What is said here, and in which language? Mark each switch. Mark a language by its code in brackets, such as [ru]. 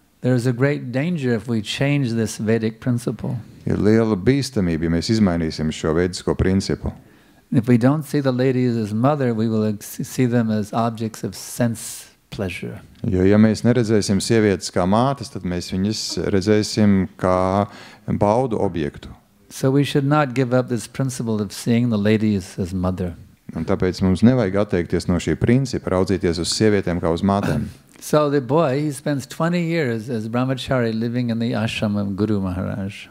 [en] There is a great danger if we change this Vedic principle. [lv] Ir liela bīstamība, ja mēs izmainīsim šo vedisko principu. [en] If we don't see the ladies as mother, we will see them as objects of sense pleasure. [lv] Jo, ja mēs neredzēsim sievietes kā mātes, tad mēs viņas redzēsim kā baudu objektu. [en] So we should not give up this principle of seeing the ladies as mother. [lv] Un tāpēc mums nevajag atteikties no šī principa, raudzīties uz sievietēm kā uz mātēm. [en] So the boy, he spends 20 years as brahmachari living in the ashram of Guru Maharaj.